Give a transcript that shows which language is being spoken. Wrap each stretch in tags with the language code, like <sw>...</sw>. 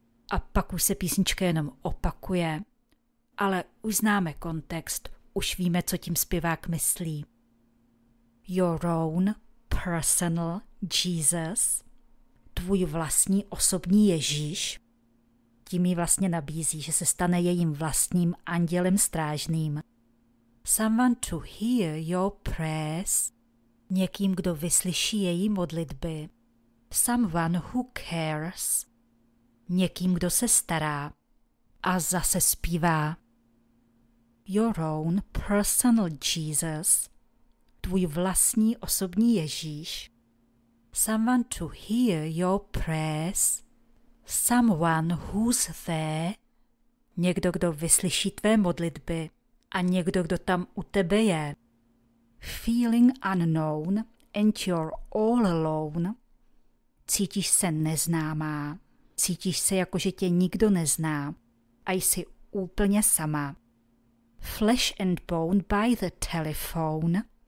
<cs>A pak už se písnička jenom opakuje. Ale už známe kontext, už víme, co tím zpěvák myslí.</cs> <en>Your own personal Jesus.</en> <cs>Tvůj vlastní osobní Ježíš. Tím jí vlastně nabízí, že se stane jejím vlastním andělem strážným.</cs> <en>Someone to hear your prayers.</en> <cs>Někým, kdo vyslyší její modlitby.</cs> <en>Someone who cares.</en> <cs>Někým, kdo se stará. A zase zpívá.</cs> <en>Your own personal Jesus.</en> <cs>Tvůj vlastní osobní Ježíš.</cs> <en>Someone to hear your prayers. Someone who's there.</en> <cs>Někdo, kdo vyslyší tvé modlitby. A někdo, kdo tam u tebe je.</cs> <en>Feeling unknown and you're all alone.</en> <cs>Cítíš se neznámá. Cítíš se jako, že tě nikdo nezná. A jsi úplně sama.</cs> <en>Flesh and bone by the telephone.</en>